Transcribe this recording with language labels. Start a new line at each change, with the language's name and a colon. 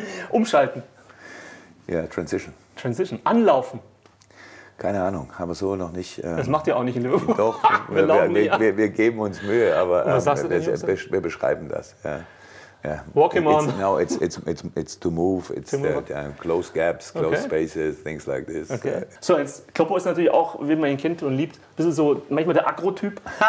German: Umschalten. Ja, Transition. Transition. Anlaufen. Keine Ahnung, aber so noch nicht. Das macht ihr auch nicht in Liverpool. Doch, wir geben uns Mühe, aber wir beschreiben das. Ja. Ja.
English: Walking on. No, it's to move. It's to move. The close gaps, close spaces, things like this.
German: Okay. So, jetzt, Kloppo ist natürlich auch, wie man ihn kennt und liebt, ein bisschen so manchmal der Aggro-Typ.